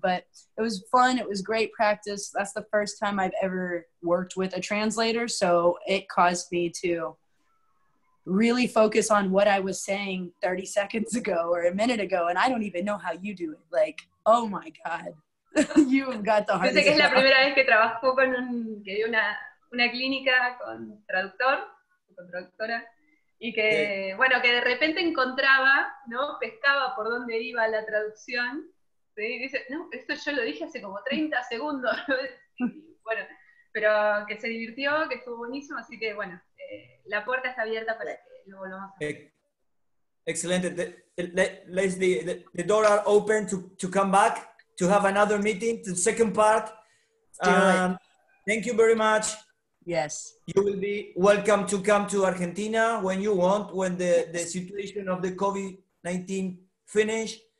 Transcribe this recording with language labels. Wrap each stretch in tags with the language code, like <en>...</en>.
<en>But it was fun. It was great practice. That's the first time I've ever worked with a translator. So it caused me to really focus on what I was saying 30 seconds ago or a minute ago. And I don't even know how you do it. Like, oh my God, you have got the hardest.</en> <es>Dice que es la primera vez que trabajo con que dio una clínica con traductor, con traductora, y que bueno, que de repente encontraba, ¿no? Pescaba por dónde iba la traducción, ¿sí? Y dice, no, esto yo lo dije hace como 30 segundos, bueno, pero que se divirtió, que estuvo buenísimo, así que bueno, la puerta está abierta para que lo volvamos a ver.</es> <en>Excellent. The door are open to come back to have another meeting, the second part. Thank you very much. Yes. You will be welcome to come to Argentina when you want, when the situation of the COVID-19 finish.</en>